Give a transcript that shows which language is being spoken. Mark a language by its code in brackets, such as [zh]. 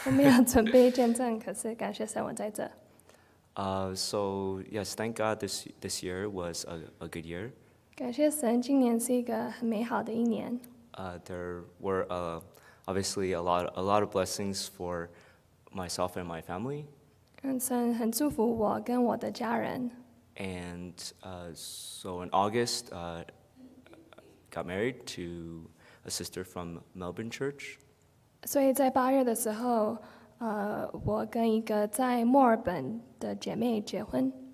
[zh] 我没有准备见证，可是感谢神，我在这。 [en] So yes, thank God this year was a good year. [zh] 感谢神，今年是一个很美好的一年。 [en] There were obviously a lot of blessings for myself and my family. [zh] 神很祝福我跟我的家人。 [en] And so in August, got married to a sister from Melbourne Church. [zh] 所以在八月的时候。我跟一个在墨尔本的姐妹结婚。